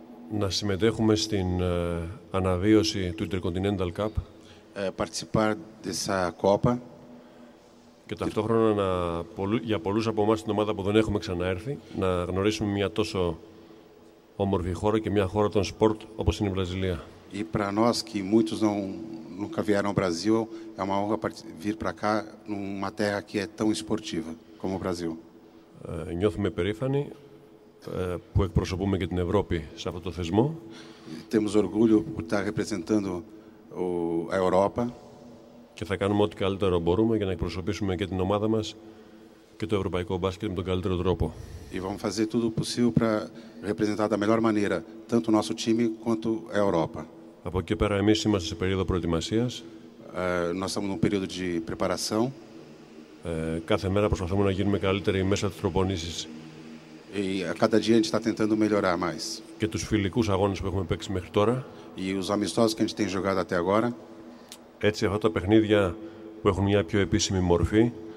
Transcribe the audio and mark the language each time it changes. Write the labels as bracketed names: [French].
[Greek] να συμμετέχουμε στην αναβίωση του Intercontinental Cup. [Portuguese] Participar dessa Copa. [Greek] Και ταυτόχρονα να, για πολλούς από εμάς την ομάδα που δεν έχουμε ξαναέρθει, να γνωρίσουμε μια τόσο όμορφη χώρα και μια χώρα των σπορτ όπως είναι η Βραζιλία. [Portuguese] E para nós que muitos nunca vieram ao Brasil, é uma honra vir para cá numa terra que é tão esportiva como o Brasil. [Greek] Νιώθουμε περήφανοι που εκπροσωπούμε και την Ευρώπη σε αυτό το θεσμό. [Portuguese] Temos orgulho por estar representando a Europa. [Greek] Και θα κάνουμε ό,τι καλύτερο μπορούμε για να εκπροσωπήσουμε και την ομάδα μας και το ευρωπαϊκό μπάσκετ με τον καλύτερο τρόπο. [Portuguese] E vamos fazer tudo possível para representar da melhor maneira tanto o nosso time quanto a Europa. [Greek] Από εκεί πέρα εμείς είμαστε σε περίοδο προετοιμασίας. [Portuguese] Nós estamos num período de preparação. [Greek] Κάθε μέρα προσπαθούμε να γίνουμε καλύτεροι μέσα της προπονήσης. [Portuguese] E a cada dia a gente está tentando melhorar mais. [Greek] Και τους φιλικούς αγώνες που έχουμε παίξει μέχρι τώρα. [Portuguese] E os amistosos que a gente tem jogado até agora. [Greek] Έτσι αυτά τα παιχνίδια που έχουν μια πιο επίσημη μορφή.